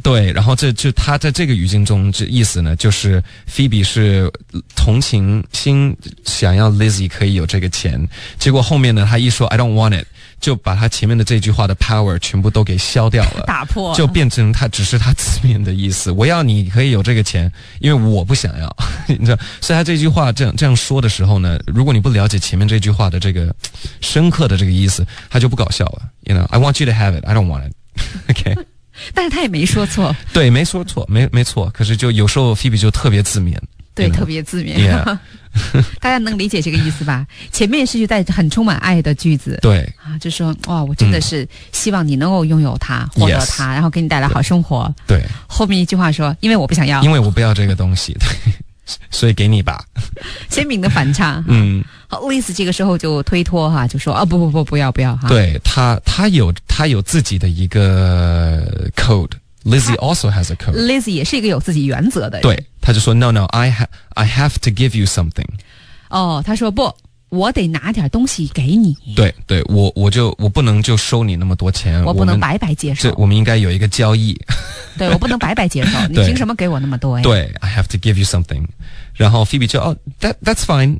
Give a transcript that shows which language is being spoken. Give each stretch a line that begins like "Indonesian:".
Chinese: 对，然后这就他在这个语境中这意思呢，就是 Phoebe 是同情心，想要 Lizzie 可以有这个钱，结果后面呢他一说
English: I don't want it，
Chinese: 就把他前面的这句话的 power 全部都给消掉了，打破，就变成他只是他字面的意思，我要你可以有这个钱，因为我不想要，你知道。所以他这句话这样说的时候呢，如果你不了解前面这句话的这个深刻的这个意思，他就不搞笑了。
English: You know, I want you to have it, I don't want it. OK，
Chinese: 但是他也没说错。对，没说错，没错，可是就有时候 Phoebe 就特别字面。对，
English: you know?
Chinese: 特别字面。大家能理解这个意思吧？前面是句在很充满爱的句子，对啊，就说哇，我真的是希望你能够拥有它，获得它，
English: yes，
Chinese: 然后给你带来好生活。对，后面一句话说，因为我不想要，因为我不要这个东西，对，所以给你吧。鲜明的反差。好 ，Liz 这个时候就推脱哈，就说啊，不不不，不要不要哈。对，他有自己的一个 code。
English: Lizzie also has a code.
Chinese: Lizzie 也是一个有自己原则的人。对，他就说
English: No, no, I have to give you something.
Chinese: 哦，他说不，我得拿点东西给你。对对，我不能就收你那么多钱，我不能白白接受。我们应该有一个交易。对，我不能白白接受，你凭什么给我那么多呀？
English: 对 ，I have to give you something.
Chinese: 然后 Phoebe 就哦
English: ，That's fine.